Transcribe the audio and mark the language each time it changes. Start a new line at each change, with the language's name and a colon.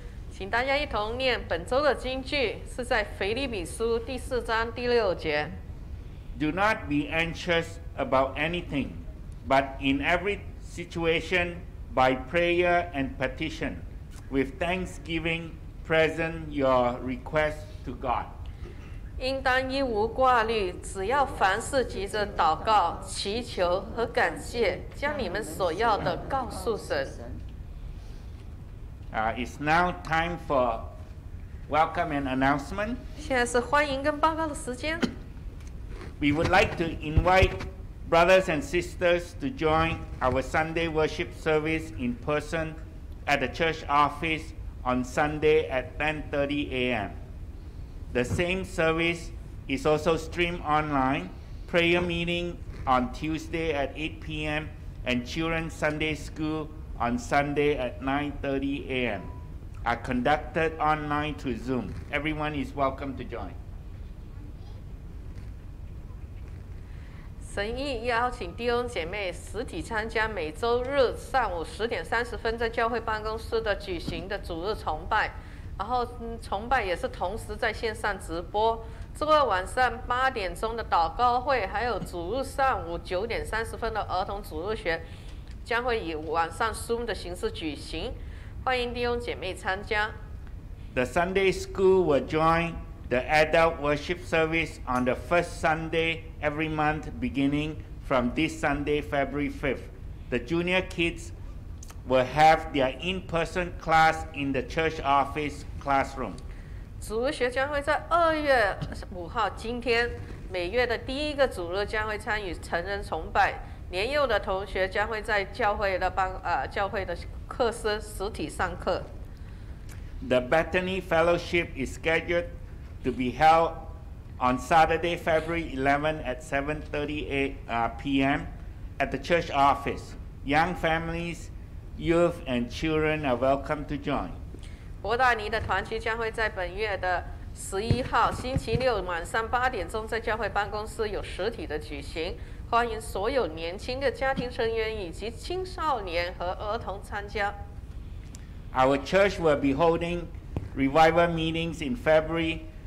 Chinese: 请大家一同念本周的经句，是在腓立比书第四章第六节。
English: Do not be anxious about anything, but in every situation, by prayer and petition, with thanksgiving, present your request to God.
Chinese: 应当一无挂虑，只要凡事急着祷告、祈求和感谢，将你们所要的告诉神。
English: It's now time for welcome and announcement.
Chinese: 现在是欢迎跟报告的时间。
English: We would like to invite brothers and sisters to join our Sunday worship service in person at the church office on Sunday at 10:30 a.m. The same service is also streamed online. Prayer meeting on Tuesday at 8 p.m. and children's Sunday school on Sunday at 9:30 a.m. are conducted online to Zoom. Everyone is welcome to join.
Chinese: 神意邀请弟兄姐妹实体参加每周日上午10:30在教会办公室的举行的主日崇拜，然后崇拜也是同时在线上直播。周二晚上8:00的祷告会，还有主日上午9:30的儿童主日学，将会以网上 Zoom 的形式举行，欢迎弟兄姐妹参加。
English: The Sunday School will join the adult worship service on the first Sunday every month beginning from this Sunday, February 5th. The junior kids will have their in-person class in the church office classroom.
Chinese: 主日学将会在2月5日，今天每月的第一个主日将会参与成人崇拜。年幼的同学将会在教会的课室实体上课。
English: The Bethany Fellowship is scheduled to be held on Saturday, February 11 at 7:30 p.m. at the church office. Young families, youth, and children are welcome to join.
Chinese: 伯大尼的团契将会在本月的11日星期六晚上8:00在教会办公室有实体的举行。欢迎所有年轻的家庭成员以及青少年和儿童参加。
English: Our church will be holding revival meetings in February.